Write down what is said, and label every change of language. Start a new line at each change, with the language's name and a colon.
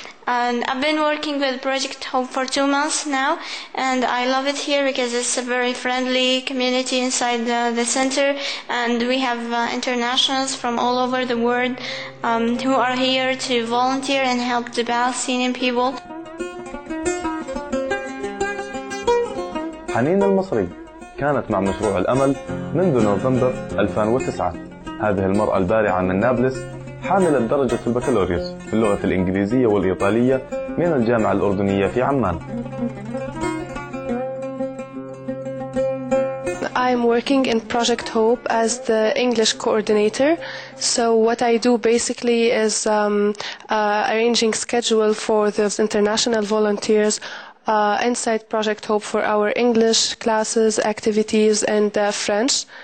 English: And I've been working with Project Hope for 2 months now, and I love it here because it's a very friendly community inside the center, and we have internationals from all over the world who are here to volunteer and help the Palestinian people.
Arabic: حنين المصري كانت مع مشروع الأمل منذ نوفمبر 2009. هذه المرأة البارعة من نابلس حاملة درجة البكالوريوس في اللغة الإنجليزية والإيطالية من الجامعة الأردنية في عمان.
English: I'm working in Project Hope as the English coordinator. So what I do basically is arranging schedule for the international volunteers inside Project Hope for our English classes, activities, and French.